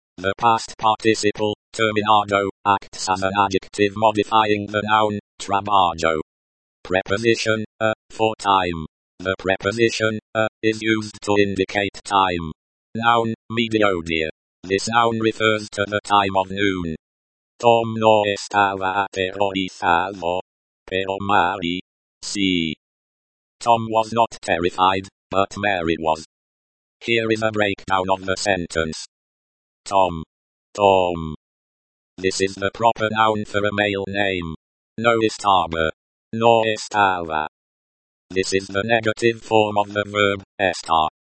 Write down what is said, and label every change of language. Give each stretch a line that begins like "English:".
English: The past participle, terminado, acts as an adjective modifying the noun, trabajo. Preposition, a, for time. The preposition, a, is used to indicate time. Noun, mediodía. This noun refers to the time of noon.
Spanish: Tom no estaba aterrorizado, pero Mary, sí.
English: Tom was not terrified, but Mary was. Here is a breakdown of the sentence. Tom. Tom. This is the proper noun for a male name.
Spanish: No estaba. No estaba.
English: This is the negative form of the verb, estar.